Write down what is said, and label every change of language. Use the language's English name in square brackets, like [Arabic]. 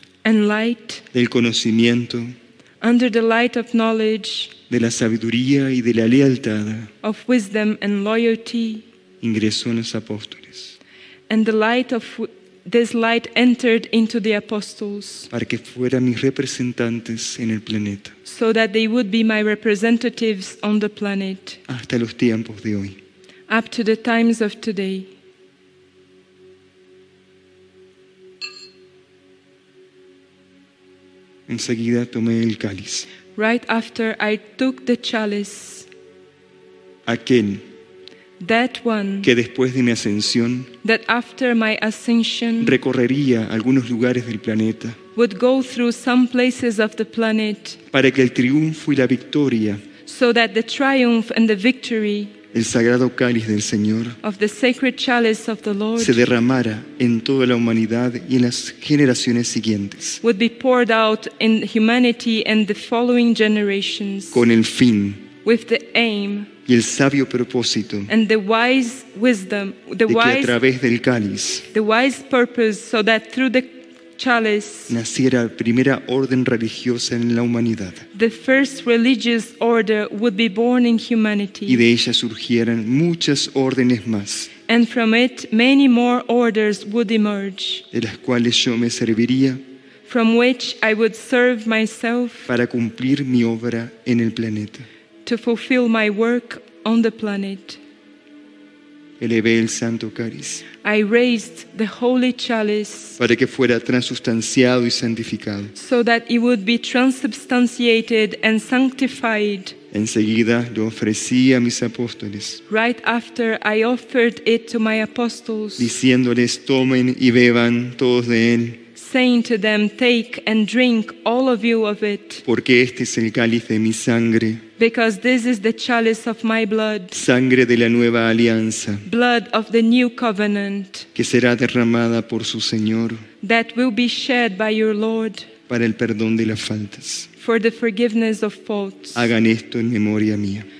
[English] and light, [Spanish] del conocimiento, [English] under the light of knowledge, [Spanish] de la sabiduría y de la lealtad, [English] of wisdom and loyalty, [Spanish] ingresó en los apóstoles, [English] and the light of this light entered into the apostles, [Spanish] para que fueran mis representantes en el planeta, [English] so that they would be my representatives on the planet, [Spanish] hasta los tiempos de hoy, [English] up to the times of today. [Spanish] Enseguida tomé el cáliz. [English] Right after I took the chalice. [Spanish] Aquel. [English] That one. [Spanish] Que después de mi ascensión. [English] That after my ascension. [Spanish] Recorrería algunos lugares del planeta. [English] Would go through some places of the planet. [Spanish] Para que el triunfo y la victoria. [English] So that the triumph and the victory. [Spanish] El sagrado cáliz del Señor. [English] Of the sacred chalice of the Lord. [Spanish] Se derramara en toda la humanidad y en las generaciones siguientes. [English] Would be poured out in humanity and the following generations. [Spanish] Con el fin. [English] With the aim. [Spanish] Y el sabio propósito. [English] And the wise wisdom. The wise, [Spanish] que a través del cáliz. [English] The wise purpose so that through the chalice. [Spanish] Naciera la primera orden religiosa en la humanidad. [English] The first religious order would be born in humanity. [Spanish] Y de ella surgieran muchas órdenes más. [English] And from it many more orders would emerge. [Spanish] De las cuales yo me serviría. [English] From which I would serve myself. [Spanish] Para cumplir mi obra en el planeta. [English] To fulfill my work on the planet. [Spanish] Elevé el santo cáliz. [English] I raised the holy chalice. [Spanish] Para que fuera transustanciado y santificado. [English] So that it would be transubstantiated and sanctified. [Spanish] Enseguida lo ofrecí a mis apóstoles. [English] Right after I offered it to my apostles. [Spanish] Diciéndoles, tomen y beban todos de él. [English] Saying to them, take and drink all of you of it. [Spanish] Porque este es el cáliz de mi sangre. [English] Because this is the chalice of my blood. [Spanish] Sangre de la nueva alianza. [English] Blood of the new covenant. [Spanish] Que será derramada por su Señor. [English] That will be shed by your Lord. [Spanish] Para el perdón de las faltas. [English] For the forgiveness of faults. [Spanish] Hagan esto en memoria mía.